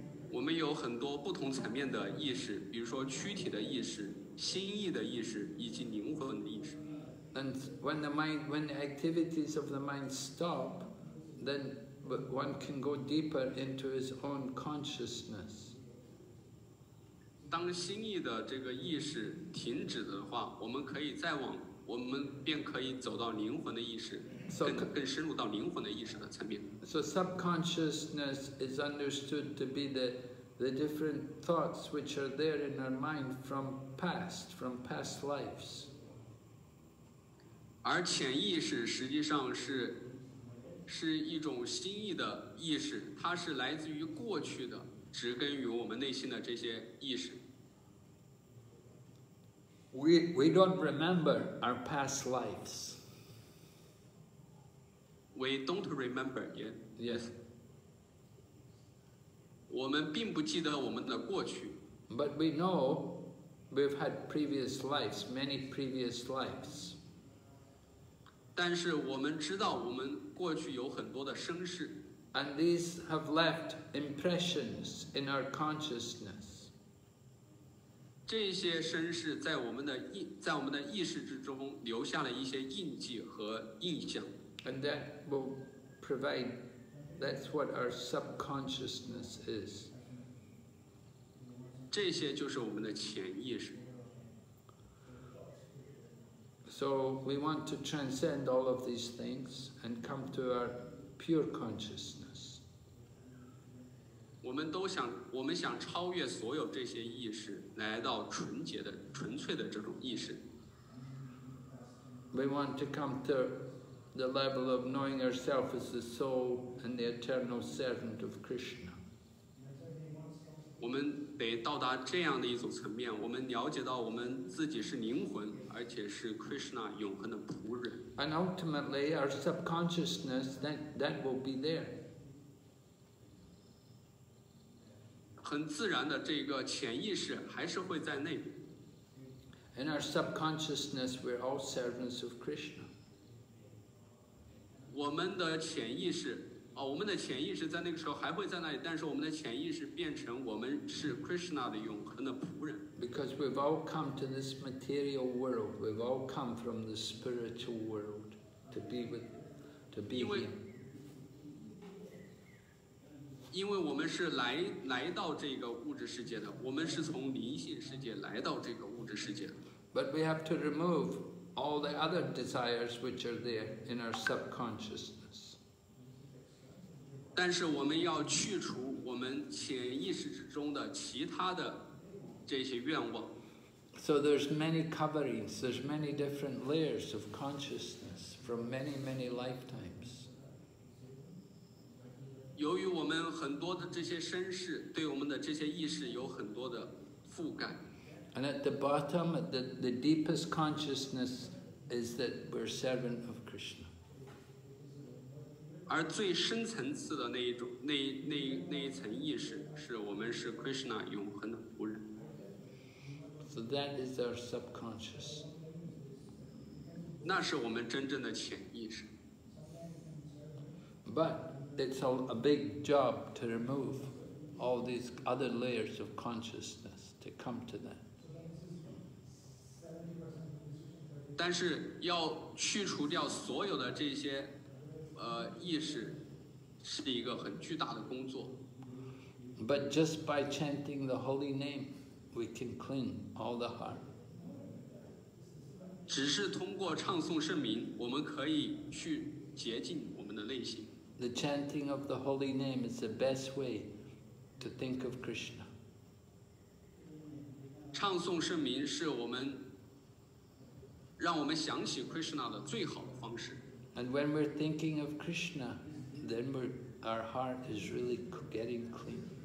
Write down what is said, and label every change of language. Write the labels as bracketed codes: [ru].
[zh] 我们有很多不同层面的意识，比如说躯体的意识、心意的意识以及灵魂的意识。 [en] And when the activities of the mind stop, then one can go deeper into his own consciousness. [zh] 当心意的这个意识停止的话，我们可以再往，我们便可以走到灵魂的意识。 [en] So subconsciousness is understood to be the different thoughts which are there in our mind from past lives. [zh] 而潜意识实际上是一种心意的意识，它是来自于过去的，植根于我们内心的这些意识。 [en] We don't remember our past lives. We don't remember yet. Yes. [zh] 我们并不记得我们的过去。 [en] But we know we've had previous lives, many previous lives. [zh] 但是我们知道我们过去有很多的生世。 [en] And these have left impressions in our consciousness. [zh] 这些生世在我们的意识之中留下了一些印记和印象。 [en] And that will provide, that's what our subconsciousness is. [zh] 这些就是我们的潜意识。 [en] So we want to transcend all of these things and come to our pure consciousness. [zh] 我们想超越所有这些意识，来到纯粹的这种意识。 [en] We want to come to... the level of knowing ourselves as the soul and the eternal servant of Krishna. [zh] 我们得到达这样的一种层面，我们了解到我们自己是灵魂，而且是 Krishna 永恒的仆人。 [en] And ultimately, our subconsciousness, that will be there. [zh] 很自然的，这个潜意识还是会在那边。 [en] In our subconsciousness, we're all servants of Krishna. [zh] 我们的潜意识、哦、我们的潜意识在那个时候还会在那里，但是我们的潜意识变成我们是 Krishna 的永恒的仆人。 [en] Because we've all come to this material world, we've all come from the spiritual world to be here. [zh] 因为我们是来到这个物质世界的，我们是从灵性世界来到这个物质世界的。 [en] But we have to remove all the other desires which are there in our subconsciousness. [zh] 但是我们要去除我们潜意识之中的其他的这些愿望。 [en] So there's many coverings, there's many different layers of consciousness from many, many lifetimes. [zh] 由于我们很多的这些身世对我们的这些意识有很多的覆盖。 [en] And at the bottom, at the deepest consciousness is that we're servant of Krishna. [zh] 而最深层次的那一种那一层意识是我们是 Krishna 永恒的仆人。 [en] So that is our subconscious. [zh] 那是我们真正的潜意识。 [en] But it's a big job to remove all these other layers of consciousness to come to that. [zh] 但是要去除掉所有的这些意识是一个很巨大的工作。 [en] But just by chanting the holy name, we can clean all the heart. [zh] 只是通过唱诵圣名我们可以去洁净我们的内心。 [en] The chanting of the holy name is the best way to think of Krishna. [zh] 唱诵圣名是我们让我们想起 Krishna 的最好的方式。 [en] And when we're thinking of Krishna, then our heart is really getting clean.